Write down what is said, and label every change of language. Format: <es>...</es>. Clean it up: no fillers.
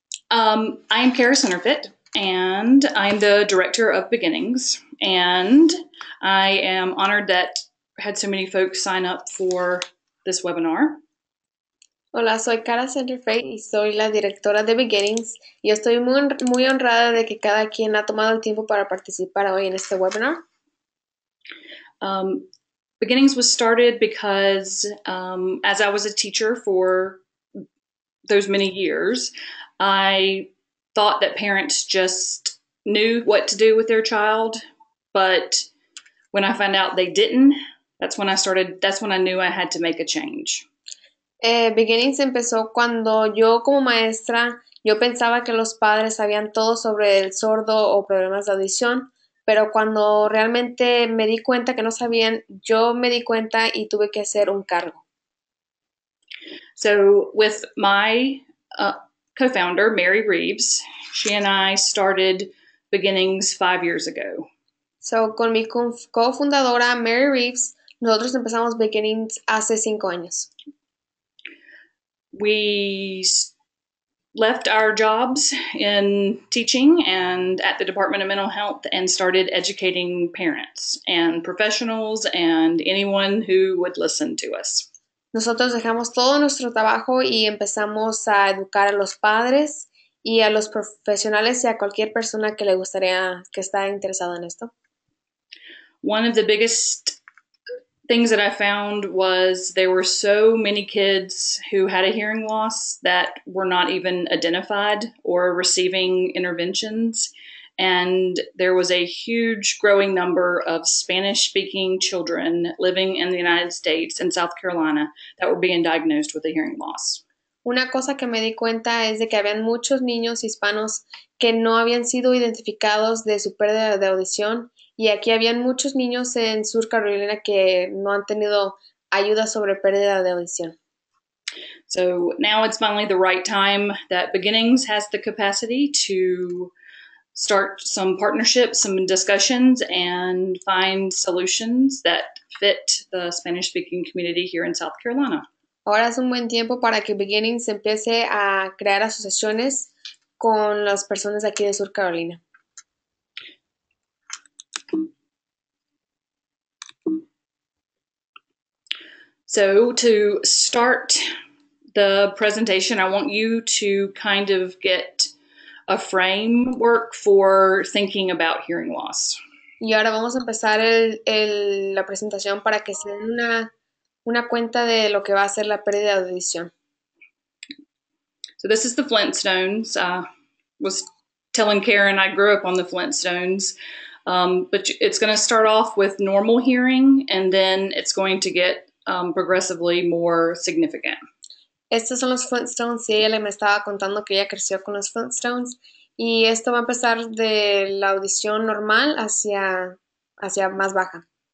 <en>I am Kara Centerfit, and I'm the director of Beginnings, and I am honored that had so many folks sign up for this webinar.</en> <es>Hola, soy Cara Centerfe y soy la directora de Beginnings y estoy muy, muy honrada de que cada quien ha tomado el tiempo para participar hoy en este webinar.</es> <en>Beginnings was started because, as I was a teacher for those many years, I thought that parents just knew what to do with their child. But when I found out they didn't, that's when I knew I had to make a change.</en> <es>Beginnings empezó cuando yo como maestra, yo pensaba que los padres sabían todo sobre el sordo o problemas de audición, pero cuando realmente me di cuenta que no sabían, yo me di cuenta y tuve que hacer un cargo.</es> <en>So, with my co-founder, Mary Reeves, she and I started Beginnings 5 years ago.</en> <es>So, con mi cofundadora Mary Reeves, nosotros empezamos Beginnings hace 5 años.</es> <en>We left our jobs in teaching and at the Department of Mental Health and started educating parents and professionals and anyone who would listen to us.</en> <es>Nosotros dejamos todo nuestro trabajo y empezamos a educar a los padres y a los profesionales y a cualquier persona que le gustaría que está interesado en esto.</es> <en>One of the biggest things that I found was there were so many kids who had a hearing loss that were not even identified or receiving interventions. And there was a huge growing number of Spanish-speaking children living in the United States and South Carolina that were being diagnosed with a hearing loss.</en> <es>Una cosa que me di cuenta es de que habían muchos niños hispanos que no habían sido identificados de su pérdida de audición y aquí habían muchos niños en Sur Carolina que no han tenido ayuda sobre pérdida de audición.</es> <en>So now it's finally the right time that Beginnings has the capacity to start some partnerships, some discussions, and find solutions that fit the Spanish-speaking community here in South Carolina.</en> <es>Ahora es un buen tiempo para que Beginnings empiece a crear asociaciones con las personas de aquí de Sur Carolina.</es> <en>So to start the presentation, I want you to kind of get a framework for thinking about hearing loss.</en> <es>Y ahora vamos a empezar la presentación para que sea una cuenta de lo que va a ser la pérdida de audición.</es> <en>So this is the Flintstones. I was telling Karen I grew up on the Flintstones, but it's going to start off with normal hearing and then it's going to get progressively more significant.</en> <es>Estos son los Flintstones, sí, ella me estaba contando que ella creció con los Flintstones y esto va a empezar de la audición normal hacia más baja.</es>